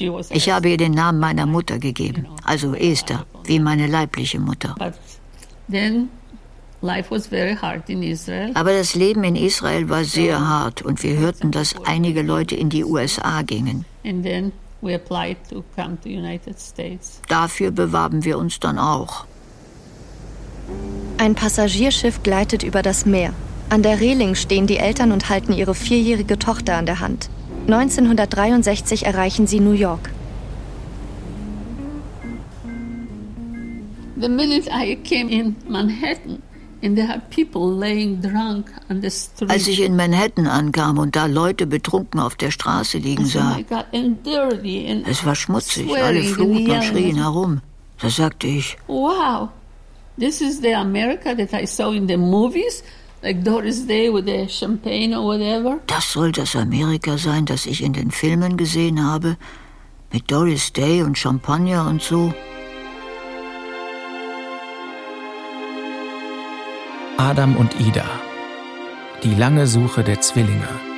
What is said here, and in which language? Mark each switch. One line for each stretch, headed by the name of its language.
German: Ich habe ihr den Namen meiner Mutter gegeben, also Esther, wie meine leibliche Mutter.
English: Then life was very hard in Israel.
German: Aber das Leben in Israel war sehr hart und wir hörten, dass einige Leute in die USA gingen.
English: And then we applied to come to United States.
German: Dafür bewarben wir uns dann auch. Ein Passagierschiff gleitet über das Meer. An der Reling stehen die Eltern und halten ihre vierjährige Tochter an der Hand. 1963 erreichen sie New York.
English: The minute I came in Manhattan and there are people laying drunk on the street.
German: Als ich in Manhattan ankam und da Leute betrunken auf der Straße liegen sah, es war schmutzig, alle fluchten und schrien herum. Da sagte ich,
English: wow, this is the America that I saw in the movies, like Doris Day with the champagne or whatever.
German: Das soll das Amerika sein, das ich in den Filmen gesehen habe, mit Doris Day und Champagner und so. Adam und Ida. Die lange Suche der Zwillinge.